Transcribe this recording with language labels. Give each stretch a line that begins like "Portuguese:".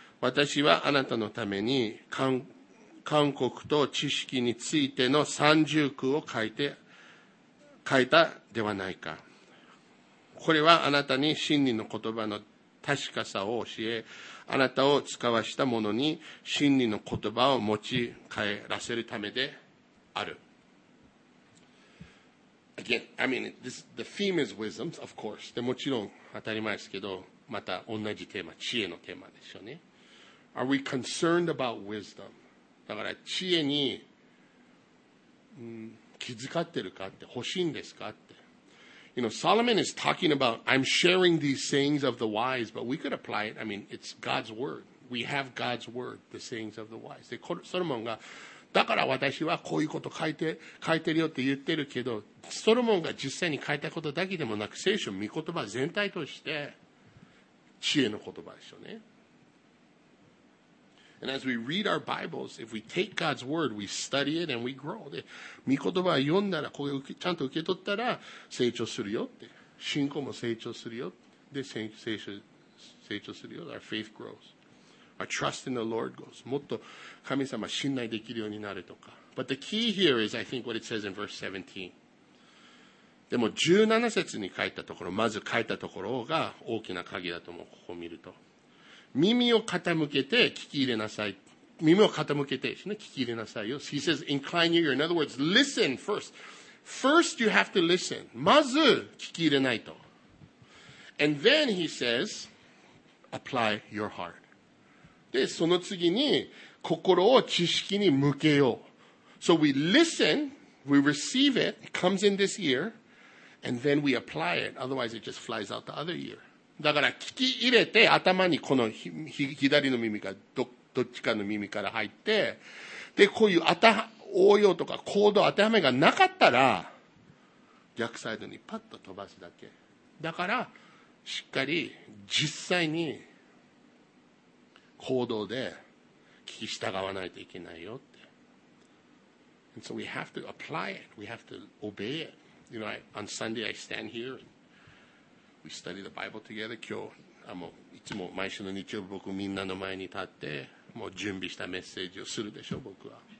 Japanese: 私はあなたのために韓国と知識についての三重句を書いたではないか。これはあなたに真理の言葉の確かさを教え、あなたを使わした者に真理の言葉を持ち帰らせるためである。
English: Again, I mean, the theme is wisdom, of course.
Japanese: でもちろん当たり前ですけど、また同じテーマ、知恵のテーマでしょうね。
English: Are we concerned about wisdom?
Japanese: だから知恵に、気遣ってるかって、欲しいんですかって。
English: You know, Solomon is talking about, I'm sharing these sayings of the wise, but we could apply it, I mean, it's God's word. We have God's word, the sayings of the wise.
Japanese: で、ソロモンが、だから私はこういうこと書いてるよって言ってるけど、ソロモンが実際に書いたことだけでもなく、聖書、御言葉全体として、知恵の言葉でしょうね。
English: And as we read our Bibles, if we take God's word, we study it and we grow.
Japanese: で、御言葉を読んだら、これをちゃんと受け取ったら、成長するよって。信仰も成長するよ。で、成長するよ。
English: Our faith grows. Our trust in the Lord grows.
Japanese: もっと神様信頼できるようになるとか。
English: But the key here is, I think, what it says in verse 17.
Japanese: でも17節に書いたところ、まず書いたところが大きな鍵だと思う。ここを見ると。耳を傾けて聞き入れなさい。耳を傾けて、ね、聞き入れなさいよ。
English: He says, incline your ear. In other words, listen first. First, you have to listen. まず聞き入れないと。 And then he says, apply your heart.
Japanese: で、その次に心を知識に向けよう。
English: So we listen, we receive it, it comes in this ear. And then we apply it. Otherwise, it just flies out the other ear.
Japanese: だから聞き入れて頭にこの左の耳か どっちかの耳から入って、で、こういう応用とか行動当てはめがなかったら、逆サイドにパッと飛ばすだけ。だから、しっかり実際に行動で聞き従わないといけないよって。
English: And so we have to apply it. We have to obey it.You know, on Sunday I stand here and We study the Bible together.
Japanese: 今日、もういつも毎週の日曜日、僕みんなの前に立って、もう準備したメッセージをするでしょう、僕は。